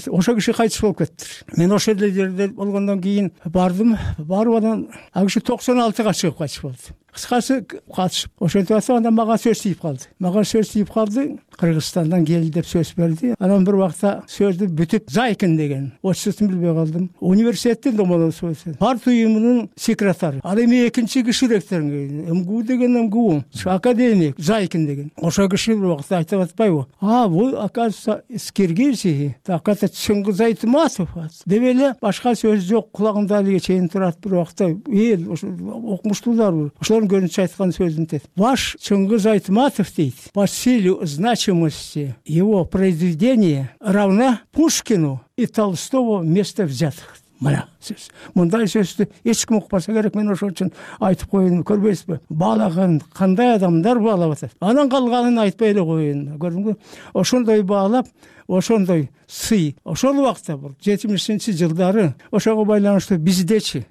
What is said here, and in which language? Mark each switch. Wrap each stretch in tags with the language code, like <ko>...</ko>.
<ky>Ошо киши кайтыш болуп кетти. Мен ошол эле жерде болгондон кийин бардым. Барып анан ал киши 96'га чыгып кайтыш болду. Кыскасы катышып ошентип атса анан мага сөз тийип калды. Мага сөз тийип калды. Кыргызстандан келди деп сөз берди. Анан бир убакта сөздү бүтүп Зайкин деген отчусун билбей калдым. Университеттин Ломоносовсу. Парт уюмунун секретари. Ал эми экинчи киши ректор. МГУ деген МГУ. Академик Зайкин деген. Ошо киши бир убакта айтып атпайбы?</ky> <ru>А, бул оказывается из Киргизии. Так это Чыңгыз Айтматов.</ru> <ky>Деп эле башка сөз жок. Кулагымда алиге чейин турат бир убакта. Эл окумуштуулар. Ошолорун көрүнүшү айткан сөзүн дейт.</ky> <ru>Ваш</ru> <ky>Чыңгыз Айтматов дейт.</ky> <ru>По силе значимости его произведения равна Пушкину и Толстого вместе взятых.</ru> <ky>Мына сөз. Мындай сөздү эч ким укпаса керек, мен ошол үчүн айтып коеюн, көрбөйсүзбү? Баалаган кандай адамдар баалап атат. Анан калганын айтпай эле коеюн. Көрдүңбү? Ошондой баалап, ошондой сый. Ошол убакта бул 70-нчи жылдары ошого байланыштуу биздечи.</ky>